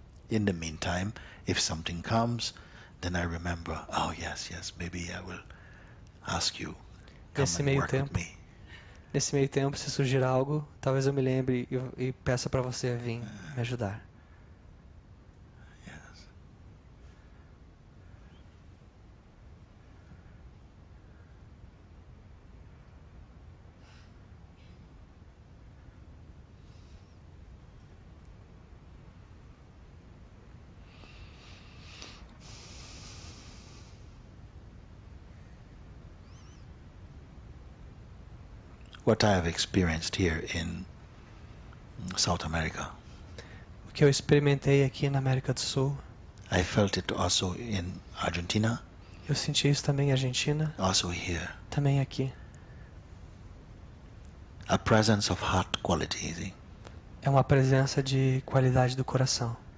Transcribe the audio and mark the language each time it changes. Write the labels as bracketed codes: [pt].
[en] In the meantime, if something comes, then I remember, oh yes, yes, maybe I will ask you, come [pt] nesse meio [en] and work [pt] tempo, [en] with me. [pt] Nesse meio tempo, se surgir algo, talvez eu me lembre e peça para você vir me ajudar. [en] What I have experienced here in South America. [pt] O que eu experimentei aqui na América do Sul. [en] I felt it also in Argentina. [pt] Eu senti isso também em Argentina. [en] Also here. [pt] Também aqui. [en] A presence of heart quality. [pt] É uma presença de qualidade do coração.